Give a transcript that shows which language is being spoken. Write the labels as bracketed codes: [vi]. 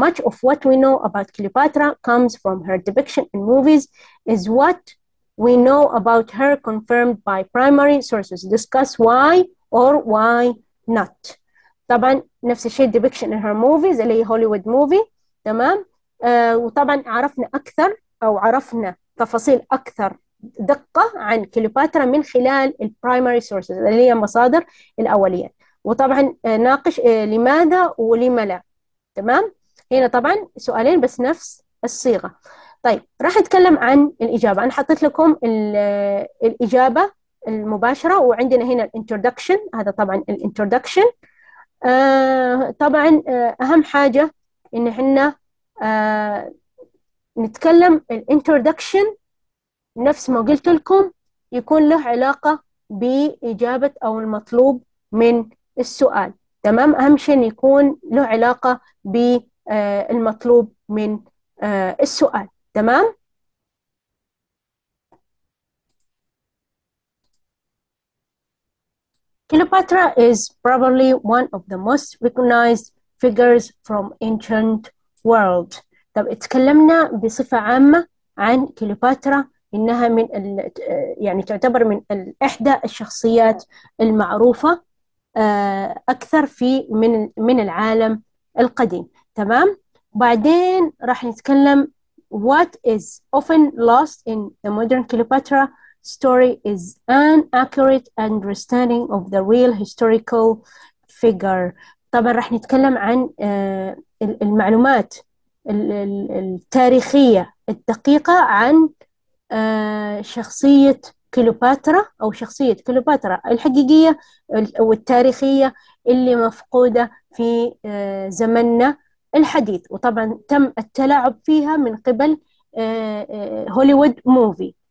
[en] Much of what we know about Cleopatra comes from her depiction in movies. Is what we know about her confirmed by primary sources? Discuss why or why not. [ar] طبعا نفس الشيء [en] depiction in her movies [ar] اللي هي هوليوود موفي. تمام؟ وطبعا عرفنا أكثر أو عرفنا تفاصيل أكثر دقة عن كليوباترا من خلال [en] primary sources [ar] اللي هي المصادر الأولية. وطبعا ناقش لماذا ولم لا. تمام؟ هنا طبعا سؤالين بس نفس الصيغة. طيب راح أتكلم عن الإجابة. أنا حطيت لكم الإجابة المباشرة، وعندنا هنا الانترودكشن، هذا طبعا الانترودكشن. طبعا أهم حاجة إن احنا نتكلم الانترودكشن نفس ما قلت لكم يكون له علاقة بإجابة أو المطلوب من السؤال. تمام؟ أهم شيء يكون له علاقة بالمطلوب من السؤال. تمام؟ [en] Cleopatra is probably one of the most recognized figures from ancient world. [ar] طب اتكلمنا بصفة عامة عن كليوباترا، إنها من يعني تعتبر من إحدى الشخصيات المعروفة أكثر في من العالم القديم. تمام؟ بعدين راح نتكلم [en] What is often lost in the modern Cleopatra story is an accurate understanding of the real historical figure. [ar] طبعا راح نتكلم عن المعلومات التاريخية الدقيقة عن شخصية كليوباترا، أو شخصية كليوباترا الحقيقية والتاريخية اللي مفقودة في زمننا الحديث، وطبعا تم التلاعب فيها من قبل هوليوود موفي.